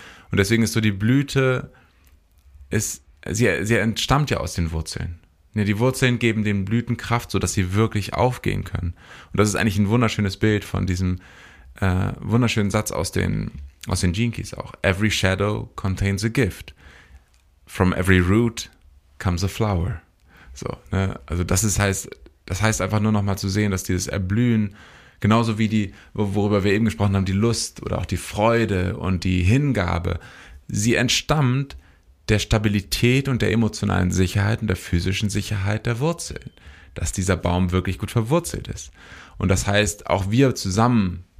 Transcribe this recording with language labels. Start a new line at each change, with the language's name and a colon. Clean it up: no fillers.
German: Und deswegen ist so die Blüte, sie entstammt ja aus den Wurzeln. Die Wurzeln geben den Blüten Kraft, sodass sie wirklich aufgehen können. Und das ist eigentlich ein wunderschönes Bild von diesem wunderschönen Satz aus den Gene Keys auch.
English: Every shadow contains a gift. From every root comes a flower.
German: So, ne? Also das heißt einfach nur nochmal zu sehen, dass dieses Erblühen, genauso wie die, worüber wir eben gesprochen haben, die Lust oder auch die Freude und die Hingabe, sie entstammt der Stabilität und der emotionalen Sicherheit und der physischen Sicherheit der Wurzeln. Dass dieser Baum wirklich gut verwurzelt ist. Und das heißt, auch wir zusammen,